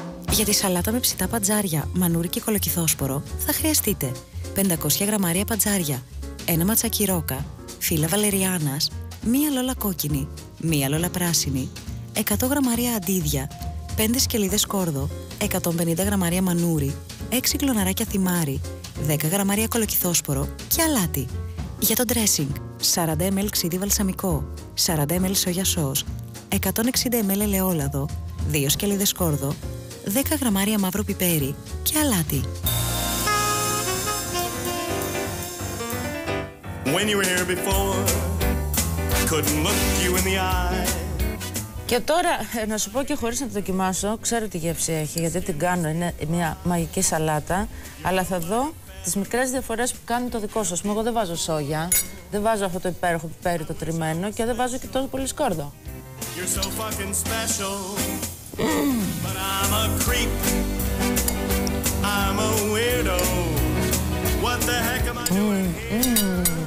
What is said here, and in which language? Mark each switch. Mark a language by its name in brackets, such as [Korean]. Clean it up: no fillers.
[Greek] Για τη σαλάτα με ψητά παντζάρια, μανούρι και κολοκυθόσπορο θα χρειαστείτε 500 γραμμάρια παντζάρια, ένα ματσάκι ρόκα, φύλλα βαλεριάνας, μία λόλα κόκκινη, μία λόλα πράσινη, 100 γραμμάρια αντίδια, 5 σκελίδες σκόρδο, 150 γραμμάρια μανούρι, 6 κλωναράκια θυμάρι, 10 γραμμάρια κολοκυθόσπορο και αλάτι. Για το dressing, 40 ml ξύδι βαλσαμικό, 40 ml σόγια σος, 160 ml ελαιόλαδο, 2 σκελίδες σκόρδο, 10 γραμμάρια μαύρο πιπέρι και αλάτι. [English] When you were here before, couldn't look you in the eye. [Greek] Και τώρα, να σου πω και χωρίς να το δοκιμάσω, ξέρω τι γεύση έχει, γιατί την κάνω, είναι μια μαγική σαλάτα, αλλά θα δω τις μικρές διαφορές που κάνει το δικό σου. Εγώ δεν βάζω σόγια, δεν βάζω αυτό το υπέροχο πιπέρι το τριμμένο και δεν βάζω και τόσο πολύ σκόρδο. [English] You're so fucking special, but I'm a creep, I'm a weirdo, what the heck am I doing here?